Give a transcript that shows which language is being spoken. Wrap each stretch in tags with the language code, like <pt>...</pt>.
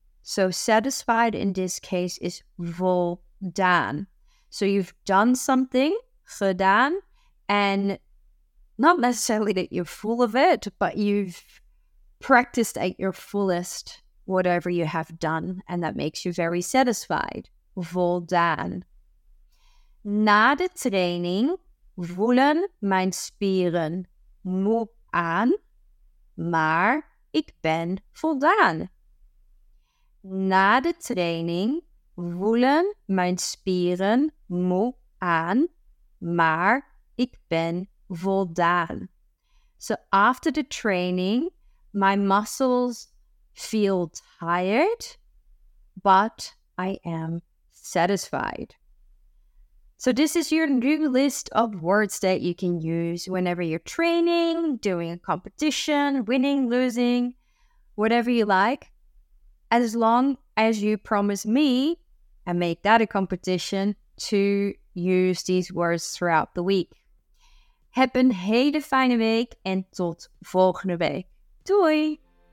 <en>So satisfied in this case is voldaan. So you've done something, gedaan, and not necessarily that you're full of it, but you've practiced at your fullest whatever you have done, and that makes you very satisfied.</en> <nl>Voldaan. Na de training voelen mijn spieren moe aan, maar ik ben voldaan. Na de training voelen mijn spieren moe aan, maar ik ben voldaan.</nl> <en>So after the training, my muscles feel tired, but I am satisfied. So this is your new list of words that you can use whenever you're training, doing a competition, winning, losing, whatever you like. As long as you promise me, and make that a competition, to use these words throughout the week.</en> <nl>Heb een hele fijne week en tot volgende week. Doei!</nl>